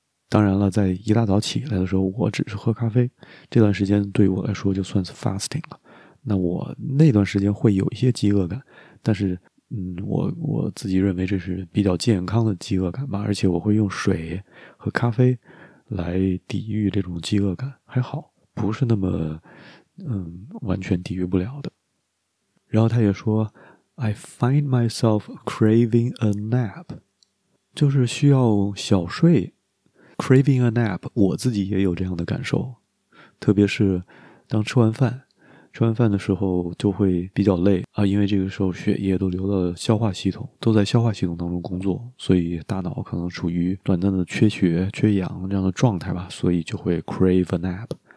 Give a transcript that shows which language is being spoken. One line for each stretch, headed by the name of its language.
Chinese: 当然了，在一大早起来的时候我只是喝咖啡，这段时间对我来说就算是 fasting 了，那我那段时间会有一些饥饿感，但是我自己认为这是比较健康的饥饿感吧，而且我会用水和咖啡来抵御这种饥饿感，还好不是那么完全抵御不了的。然后他也说
English: I find myself craving a nap，
Chinese: 就是需要小睡。
English: Craving a nap，
Chinese: 我自己也有这样的感受，特别是当吃完饭的时候就会比较累啊，因为这个时候血液都在消化系统当中工作，所以大脑可能处于短暂的缺血缺氧这样的状态吧，所以就会
English: crave a nap。